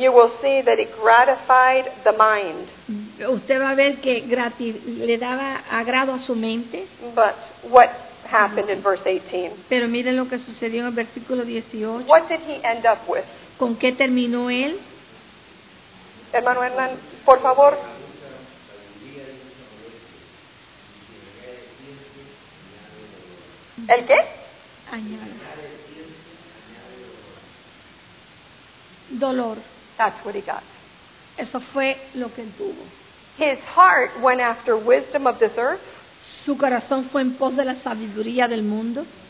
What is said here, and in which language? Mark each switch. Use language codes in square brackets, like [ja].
[en] You will see that it gratified the mind. [es] Usted va a ver que le daba agrado a su mente. [en] But what happened in verse 18? [es] Pero miren lo que sucedió en el versículo 18. [en] What did he end up with? [es] ¿Con qué terminó él? Hermano Hernán, por favor. ¿El qué? Añade. Dolor. [en] That's what he got. [es] Eso fue lo que él tuvo. [en] His heart went after wisdom of this earth. [es] Su corazón fue en pos de la sabiduría del mundo.